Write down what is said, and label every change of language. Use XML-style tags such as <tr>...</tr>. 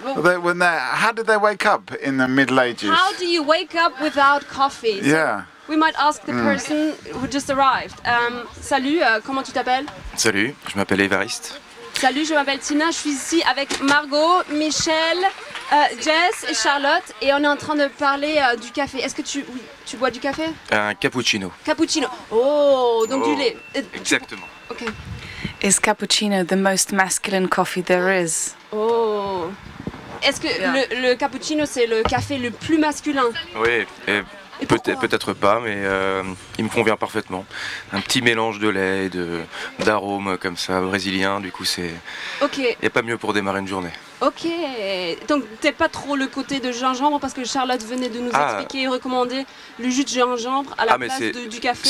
<en>How did they wake up in the Middle Ages? How do you wake up without coffee? So yeah. We might ask the person who just arrived.</en> <fr>Salut, comment tu t'appelles? Salut, je m'appelle Évariste. Salut, je m'appelle Tina, je suis ici avec Margot, Michel, Jess et Charlotte et on est en train de parler du café. Est-ce que tu bois du café? Un cappuccino. Cappuccino, oh, donc du lait. Exactement. Ok.</fr> <en>Is cappuccino the most masculine coffee there is? Oh!</en> <fr>Est-ce que le cappuccino c'est le café le plus masculin? Oui, peut-être pas, mais il me convient parfaitement. Un petit mélange de lait et d'arômes comme ça, brésilien, du coup c'est. Ok. Y a pas mieux pour démarrer une journée. Ok, donc t'es pas trop le côté de gingembre, parce que Charlotte venait de nous expliquer et recommander le jus de gingembre à la place du café.</fr>